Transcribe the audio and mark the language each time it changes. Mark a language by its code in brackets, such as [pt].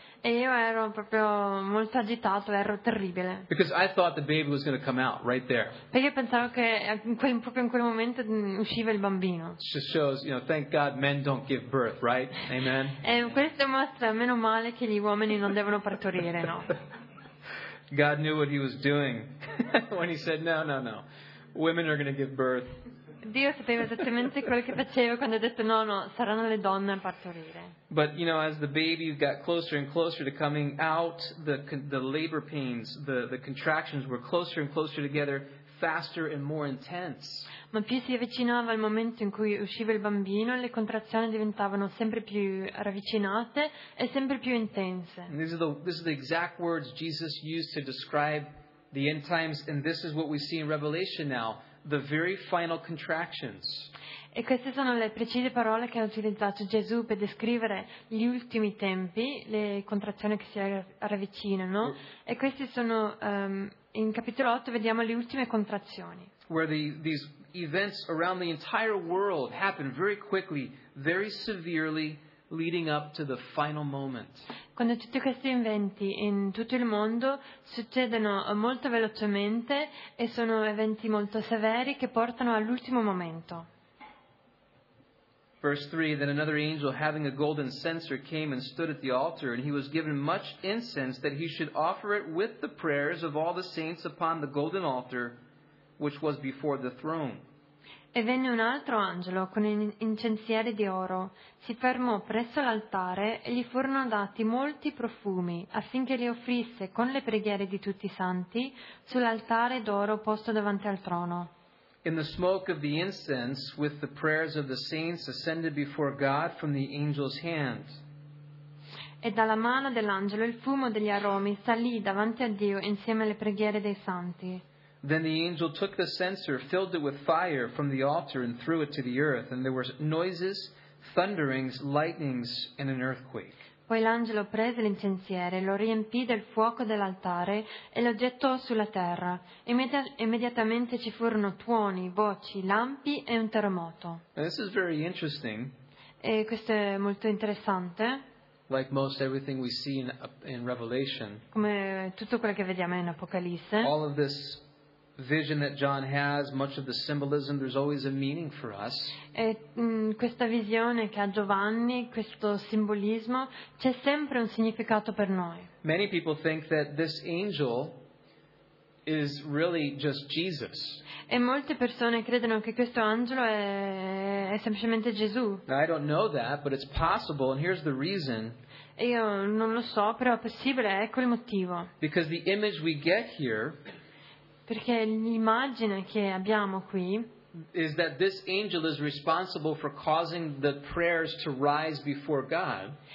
[it] E io ero proprio molto agitato, ero terribile. [en] Because I thought the baby was going to come out right there. [it] Perché pensavo che proprio in quel momento usciva il bambino. [en] It just shows, you know, thank God men don't give birth, right? Amen. [it] E questo mostra meno male che gli uomini non devono partorire, no? [en] God knew what he was doing when he said no. Women are going to give birth. [it] Dio sapeva esattamente quello che faceva quando ha detto no, saranno le donne a partorire. [en] But you know, as the baby got closer and closer to coming out, the labor pains, the contractions were closer and closer together, faster and more intense. [it] Ma più si avvicinava il momento in cui usciva il bambino, le contrazioni diventavano sempre più ravvicinate e sempre più intense. [en] And this is the exact words Jesus used to describe the end times, and this is what we see in Revelation now. The very final contractions. [it] E queste sono le precise parole che ha utilizzato Gesù per descrivere gli ultimi tempi, le contrazioni che si ravvicinano. E questi sono in capitolo 8 vediamo le ultime contrazioni. [en] Where these events around the entire world happen very quickly, very severely, leading up to the final moment. [it] Quando tutti questi eventi in tutto il mondo succedono molto velocemente e sono eventi molto severi che portano all'ultimo momento. [en] Verse 3, then another angel having a golden censer came and stood at the altar, and he was given much incense that he should offer it with the prayers of all the saints upon the golden altar which was before the throne. [it] E venne un altro angelo con un incensiere di oro, si fermò presso l'altare e gli furono dati molti profumi affinché li offrisse con le preghiere di tutti i santi sull'altare d'oro posto davanti al trono. [en] In the smoke of the incense with the prayers of the saints ascended before God from the angel's hand. [it] E dalla mano dell'angelo il fumo degli aromi salì davanti a Dio insieme alle preghiere dei santi. [en] Then the angel took the censer, filled it with fire from the altar, and threw it to the earth. And there were noises, thunderings, lightnings, and an earthquake. [it] Poi l'angelo prese l'incensiere, lo riempì del fuoco dell'altare e lo gettò sulla terra. Immediatamente ci furono tuoni, voci, lampi e un terremoto. [en] This is very interesting. [it] E questo è molto interessante. [en] Like most everything we see in Revelation. [it] Come tutto quello che vediamo in Apocalisse. [en] All of this vision that John has, much of the symbolism, there's always a meaning for us. [it] Questa visione che ha Giovanni, questo simbolismo, c'è sempre un significato per noi. [en] Many people think that this angel is really just Jesus. [it] E molte persone credono che questo angelo è semplicemente Gesù. [en] I don't know that, but it's possible, and here's the reason. [it] E io non lo so, però è possibile, ecco il motivo. [en] Because the image we get here. [it] Perché l'immagine che abbiamo qui [en] is that this angel is responsible for causing the prayers to rise before God.